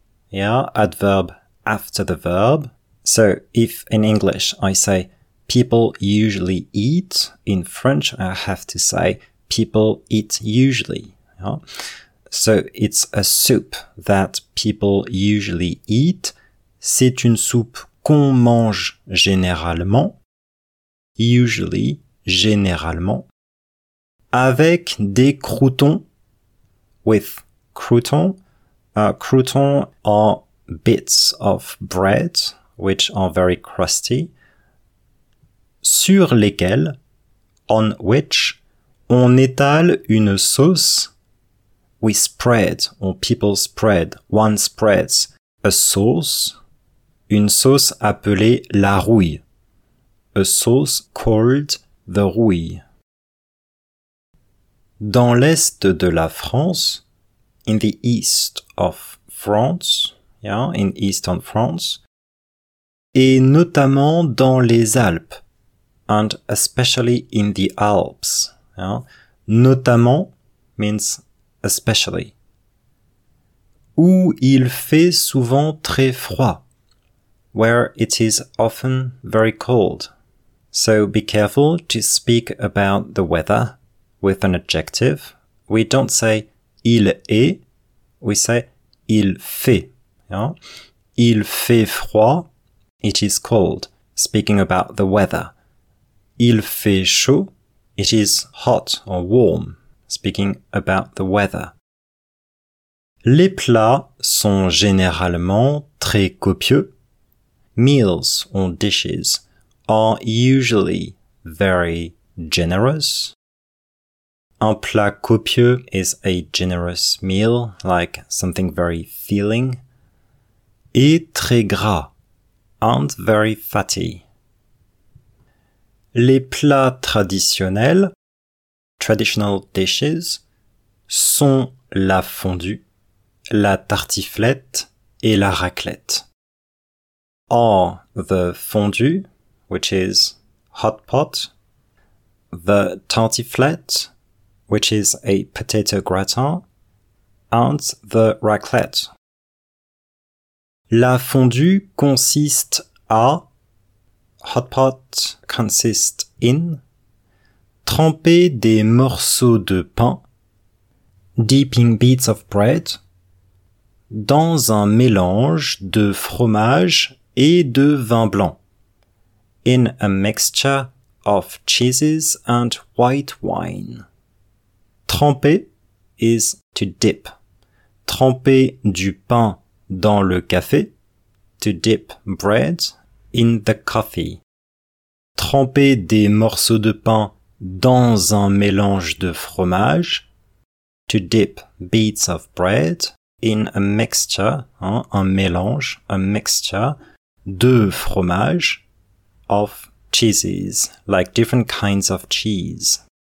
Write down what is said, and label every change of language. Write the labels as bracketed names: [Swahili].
[English] Yeah, adverb after the verb. So if in English I say people usually eat, in French I have to say people eat usually. Yeah? So it's a soup that people usually eat. [French] C'est une soupe qu'on mange généralement. Usually, généralement. Avec des croutons. [English] With croutons. Croutons are bits of bread, which are very crusty. [French] Sur lesquels, [English] on which, [French] on étale une sauce. [English] We spread, or people spread, one spreads a sauce. [French] Une sauce appelée la rouille. [English] A sauce called the rouille. [French] Dans l'est de la France, [English] in the east of France, yeah, in eastern France, [French] et notamment dans les Alpes, [English] and especially in the Alps, yeah, notamment means especially, [French] où il fait souvent très froid, [English] where it is often very cold. So be careful to speak about the weather with an adjective. We don't say il est, we say il fait. Yeah? [French] Il fait froid, [English] it is cold, speaking about the weather. [French] Il fait chaud, [English] it is hot or warm, speaking about the weather. [French] Les plats sont généralement très copieux. [English] Meals or dishes are usually very generous. [French] Un plat copieux [English] is a generous meal, like something very filling. [French] Et très gras, [English] and very fatty. [French] Les plats traditionnels, [English] traditional dishes, [French] sont la fondue, la tartiflette et la raclette. [English] Are the fondue, which is hot pot, the tartiflette, which is a potato gratin, and the raclette. [French] La fondue consiste à, [English] hot pot consists in, [French] tremper des morceaux de pain, [English] dipping bits of bread, [French] dans un mélange de fromage et de vin blanc, [English] in a mixture of cheeses and white wine. Tremper is to dip. [French] Tremper du pain dans le café. [English] To dip bread in the coffee. [French] Tremper des morceaux de pain dans un mélange de fromage. [English] To dip bits of bread in a mixture, hein, [French] un mélange, [English] a mixture [French] de fromage, [English] of cheeses, like different kinds of cheese.